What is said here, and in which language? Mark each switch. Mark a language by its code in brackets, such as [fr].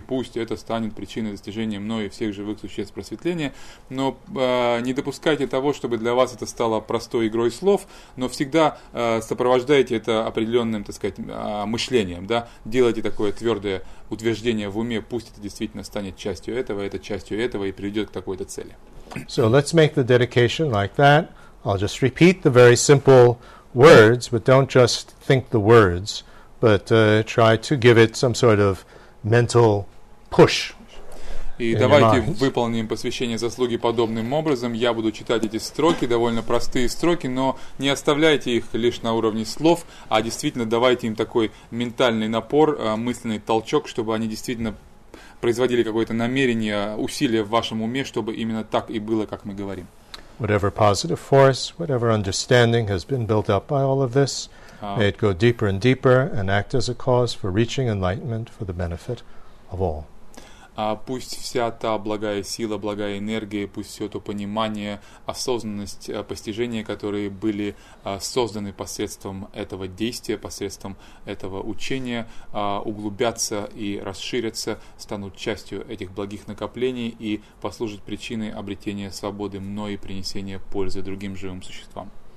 [ru] Пусть это станет причиной достижения мной и всех живых существ просветления, но не допускайте того, чтобы для вас это стало простой игрой слов, но всегда сопровождайте это определенным, так сказать, мышлением, да, делайте такое твердое утверждение в уме, пусть это действительно станет частью этого, это частью этого и приведет к такой-то цели. [en] So let's make the dedication like that. I'll just repeat the very simple words, but don't just think the words, but try to give it some sort of mental push. [ru] И давайте выполним посвящение заслуги подобным образом. Я буду читать эти строки, довольно простые строки, но не оставляйте их лишь на уровне слов, а действительно давайте им такой ментальный напор, мысленный толчок, чтобы они действительно производили какое-то намерение, усилие в вашем уме, чтобы именно так и было, как мы говорим. [en] Whatever positive force, whatever understanding has been built up by all of this, may it go deeper and deeper and act as a cause for reaching enlightenment for the benefit of all. [ru] Пусть вся та благая сила, благая энергия, пусть все то понимание, осознанность, постижение, которые были созданы посредством этого действия, посредством этого учения, углубятся и расширятся, станут частью этих благих накоплений и послужат причиной обретения свободы мной и принесения пользы другим живым существам.